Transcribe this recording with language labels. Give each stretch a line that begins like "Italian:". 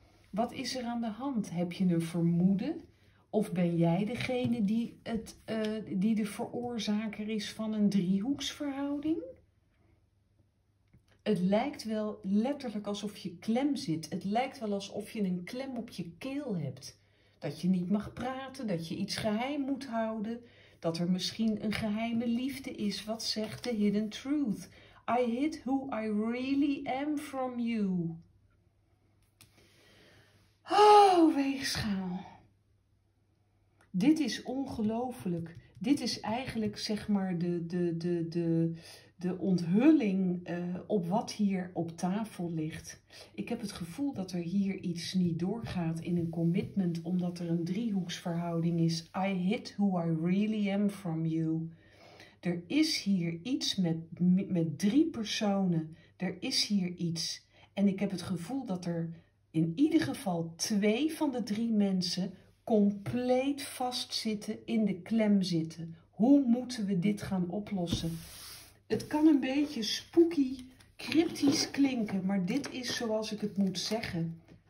Dutch: Wat is er aan de hand? Heb je een vermoeden? Of ben jij degene die de veroorzaker is van een driehoeksverhouding? Het lijkt wel letterlijk alsof je klem zit. Het lijkt wel alsof je een klem op je keel hebt. Dat je niet mag praten, dat je iets geheim moet houden. Dat er misschien een geheime liefde is. Wat zegt de hidden truth?
English: I hid who I really am from you.
Dutch: Oh, weegschaal. Dit is ongelooflijk. Dit is eigenlijk zeg maar de onthulling op wat hier op tafel ligt. Ik heb het gevoel dat er hier iets niet doorgaat in een commitment, omdat er een driehoeksverhouding is.
English: I hid who I really am from you.
Dutch: Er is hier iets met drie personen. Er is hier iets. En ik heb het gevoel dat er in ieder geval twee van de drie mensen compleet vastzitten, in de klem zitten. Hoe moeten we dit gaan oplossen? Het kan een beetje spooky, cryptisch klinken, maar dit is zoals ik het moet zeggen.